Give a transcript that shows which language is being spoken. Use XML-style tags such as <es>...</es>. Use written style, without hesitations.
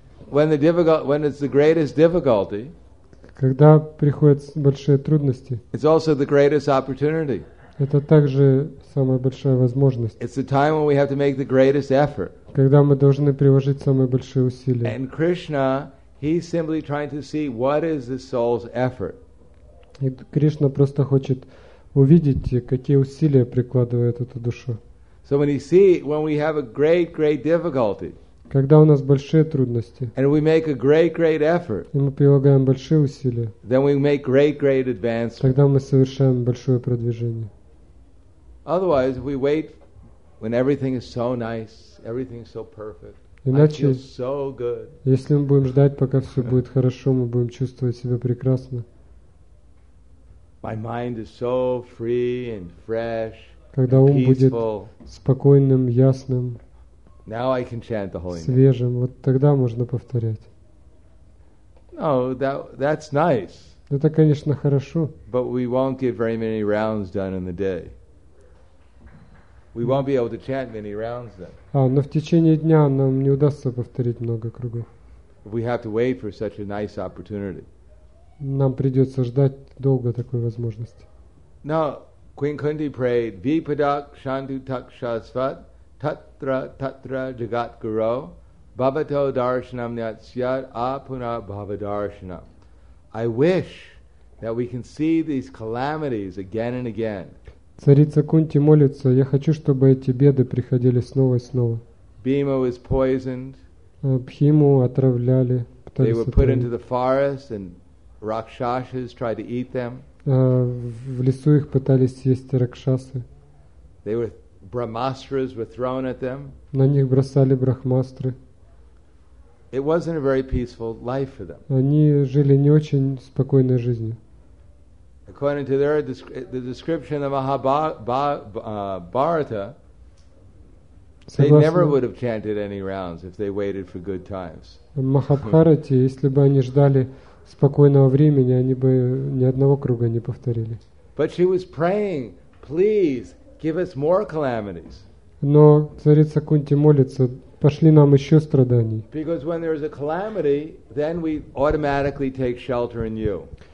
<en>When it's the greatest difficulty,</en> <ru>когда приходят большие трудности,</ru> <en>it's also the greatest opportunity.</en> <ru>Это также самая большая возможность.</ru> <en>It's the time when we have to make the greatest effort.</en> <ru>Когда мы должны приложить самые большие усилия.</ru> <en>And Krishna, he's simply trying to see what is the soul's effort.</en> <ru>И Кришна просто хочет увидеть, какие усилия прикладывает эта душа.</ru> <en>So when he see when we have a great, great difficulty.</en> <ru>Когда у нас большие трудности,</ru> <en>and we make a great, great effort,</en> <ru>и мы прилагаем большие усилия,</ru> <en>then we make great, great advancement.</en> <ru>Тогда мы совершаем большое продвижение.</ru> <en>Otherwise, if we wait when everything is so nice, everything is so perfect,</en> <ru>иначе,</ru> <en>I feel so good.</en> <ru>Если мы будем ждать, пока все будет хорошо, мы будем чувствовать себя прекрасно.</ru> <en>My mind is so free and fresh,</en> <ru>когда ум будет спокойным, ясным,</ru> <en>now I can chant the holy name.</en> <ru>Свежим, вот тогда можно повторять.</ru> <en>No, that's nice.</en> <ru>Это, конечно, хорошо.</ru> <en>But we won't get very many rounds done in the day. We won't be able to chant many rounds then.</en> <ru>А, но в течение дня нам не удастся повторить много кругов.</ru> <en>We have to wait for such a nice opportunity.</en> <ru>Нам придется ждать долго такой возможности.</ru> <en>Now, Queen Kunti prayed,</en> <sa>Vipadak Shandu Takshasvat. Tatra tatra jagat guru bhavato darshanam yatsyat apuna bhavadarshanam.</sa> <en>I wish that we can see these calamities again and again.</en> <ru>Царица Кунти молится, я хочу, чтобы эти беды приходили снова и снова.</ru> <en>Bhima was poisoned.</en> <ru>Бхиму отравляли,</ru> <en>they were put into the forest and ракшасы tried to eat them.</en> <ru>В лесу их пытались съесть ракшасы.</ru> <en>They were brahmastras were thrown at them.</en> <ru>На них бросали брахмастры.</ru> <en>It wasn't a very peaceful life for them.</en> <ru>Они жили не очень спокойной жизнью.</ru> <en>According to their the description of Mahabharata, they never would have chanted any rounds if they waited for good times.</en> <ru>Махабхарате, если бы они ждали спокойного времени, они бы ни одного круга не повторили.</ru> <en>But she was praying, please give us more calamities.</en> <ru>Но царица Кунти молится, пошли нам еще страданий.</ru> <en>Because when there is a calamity, then we automatically take shelter in you.</en>